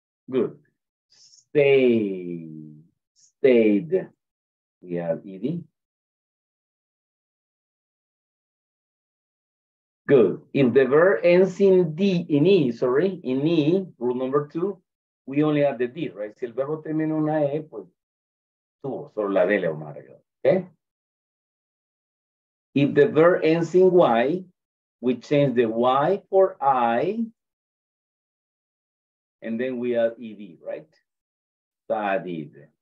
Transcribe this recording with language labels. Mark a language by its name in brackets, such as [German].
[English] Good. Stayed, we add ED. Good. If the verb ends in E, rule number two, we only add the D, right? [Spanish] Si el verbo termina una E, pues tú, solo la D le vamos a agregar, okay? [English] If the verb ends in Y, we change the Y for I, and then we add ED, right? Studied.